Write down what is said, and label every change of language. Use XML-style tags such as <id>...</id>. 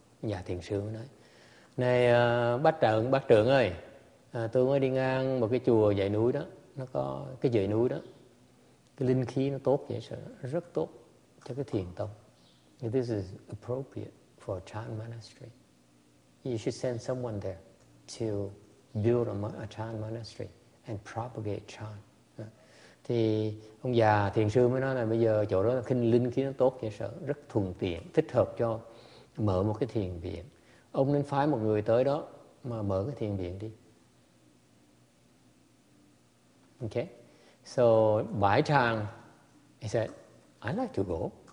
<vi>Nhà thiền sư mới nói, này bác trưởng ơi, tôi mới đi ngang một cái chùa dãy núi đó, nó có cái dãy núi đó, cái linh khí nó tốt vậy, rất tốt cho cái thiền tông.</vi> <en>This is appropriate for a Chan monastery. You should send someone there to build a Chan monastery and propagate Chan.</en> <vi>Thì ông già thiền sư mới nói là bây giờ chỗ đó linh khí nó tốt vậy, rất thuận tiện, thích hợp cho mở một cái thiền viện. Ông nên phái một người tới đó mà mở cái thiền viện đi.</vi> <en>Okay. So, Bai Chang, he said, "I like to go."</en>